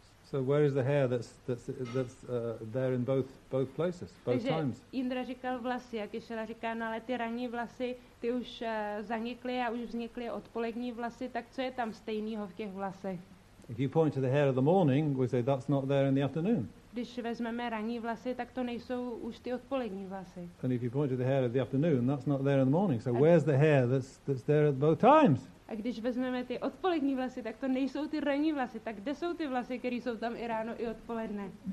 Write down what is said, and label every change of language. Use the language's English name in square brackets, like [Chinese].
[English] So where is the hair that's there in both places, both [Czech] takže [English] times? [Czech] Takže Jindra říkal vlasy, a Kishela říká, no ale ty ranní vlasy, ty už zanikly a už vznikly odpolední vlasy, tak co je tam stejného v těch vlasech? [English] If you point to the hair of the morning, we say that's not there in the afternoon. [Czech] Když vezmeme ranní vlasy, tak to nejsou už ty odpolední vlasy. [English] And if you point to the hair of the afternoon, that's not there in the morning. So where's the hair that's there at both times? [Czech] A když vezmeme ty odpolední vlasy, tak to nejsou ty ranní vlasy. Tak kde jsou ty vlasy, které jsou tam i ráno, i odpoledne?